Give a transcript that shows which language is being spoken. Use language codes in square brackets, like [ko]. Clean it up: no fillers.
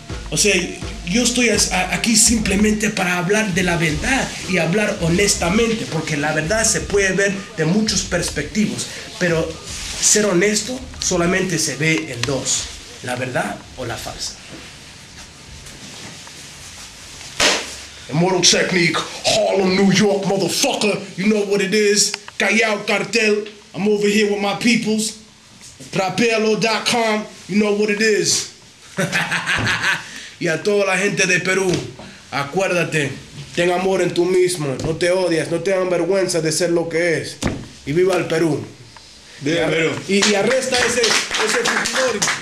[es] O sea, yo estoy aquí simplemente para hablar de la verdad y hablar honestamente, porque la verdad se puede ver de muchos perspectivos, pero ser honesto solamente se ve en dos, la verdad o la falsa. [en] Immortal Technique, Harlem, New York, motherfucker, you know what it is, Callao Cartel, I'm over here with my peoples, RAPEALO.com, you know what it is. [es] Y a toda la gente de Perú, acuérdate, ten amor en tú mismo, no te odias, no te hagan vergüenza de ser lo que es, y viva el Perú. Viva el Perú. Y arresta ese suscriptor.